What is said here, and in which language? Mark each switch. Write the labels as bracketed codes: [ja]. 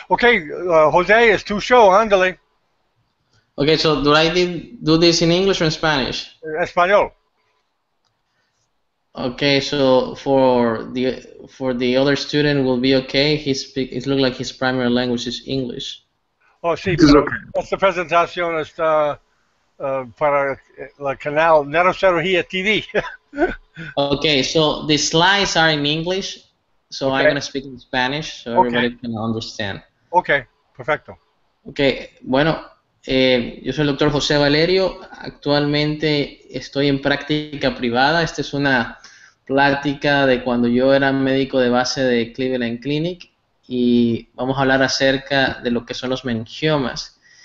[en] Okay, Jose, it's two show, andale. Okay, so do I do this in English or in Spanish? [es] Español. [en] Okay, so for the other student will be okay. He speak. It looks like his primary language is English. [es] Oh, sí. Okay. Esta presentación está para la canal Neurocirugía TV. [en] Okay, so the slides are in English, so okay. I'm gonna speak in Spanish so everybody can understand. [es] Okay, perfecto. Okay, bueno. Yo soy el doctor José Valerio, actualmente estoy en práctica privada. Esta es una plática de cuando yo era médico de base de Cleveland Clinic y vamos a hablar acerca de lo que son los meningiomas.